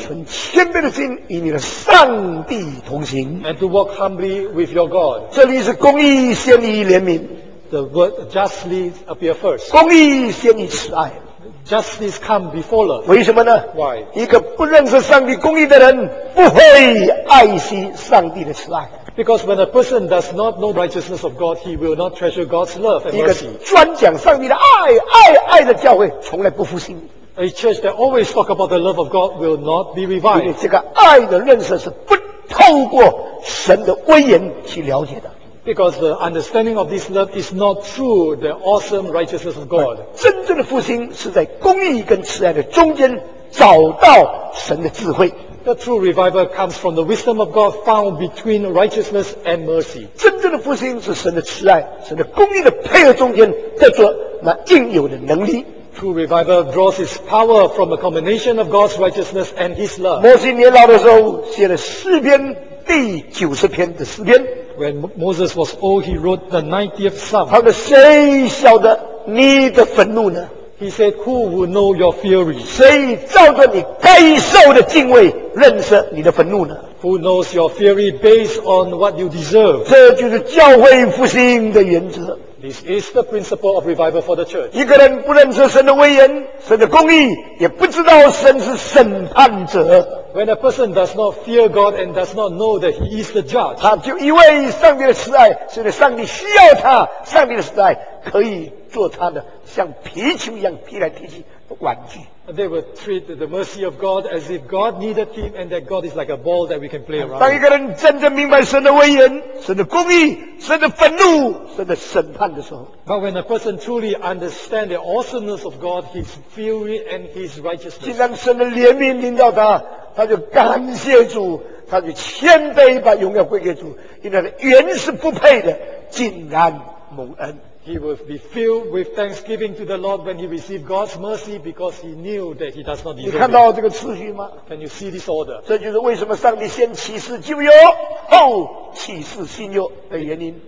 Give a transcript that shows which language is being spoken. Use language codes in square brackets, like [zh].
[zh] 存谦卑的心，与你的上帝同行。 [en] And to walk humbly with your God. [zh] 这里是公义先于怜悯。 [en] The word justly appear first. [zh] 公义先于慈爱。 [en] Justice come before love. [zh] 为什么呢？ [en] Why? [zh] 一个不认识上帝公义的人，不会爱惜上帝的慈爱。 [en] Because when a person does not know righteousness of God, he will not treasure God's love and mercy. [zh] 一个专讲上帝的爱、爱、爱的教会，从来不复兴。 [en] A church that always talk about the love of God will not be revived. [zh] 因为这个爱的认识是不透过神的威严去了解的。 [en] Because the understanding of this love is not through the awesome righteousness of God. [zh] 真正的复兴是在公义跟慈爱的中间找到神的智慧。 [en] The true revival comes from the wisdom of God found between righteousness and mercy. [zh] 真正的复兴是神的慈爱、神的公义的配合中间得着那应有的能力。 [en] True revival draws its power from a combination of God's righteousness and His love. [zh] 摩西年老的时候写了诗篇第九十篇的诗篇。 [en] When Moses was old, he wrote the 90th Psalm. [zh] 他说：“谁晓得你的愤怒呢？” [en] He said, "Who will know your fury?" [zh] 谁照着你该受的敬畏认识你的愤怒呢？ [en] Who knows your fury based on what you deserve? [zh] 这就是教会复兴的原则。 [en] This is the principle of revival for the church. [zh] 一个人不认识神的威严、神的公义，也不知道神是审判者。 [en] When a person does not fear God and does not know that he is the judge, [zh] 他就以为上帝的慈爱，所以上帝需要他，上帝的慈爱可以做他的像皮球一样踢来踢去的玩具。 [en] They will treat the mercy of God as if God needed him and that God is like a ball that we can play around. [zh] 当一个人真正明白神的威严、神的公义、神的愤怒、神的审判的时候， [en] But when a person truly understands the awesomeness of God, his fury and his righteousness, [zh] 既然神的怜悯临到他，他就感谢主，他就谦卑把荣耀归给主，因为他原是不配的，竟然蒙恩。 [en] He will be filled with thanksgiving to the Lord when he received God's mercy because he knew that he does not deserve it. [zh] 你看到这个次序吗？ [en] Can you see this order? [zh] 这就是为什么上帝先启示旧约，后启示新约的原因。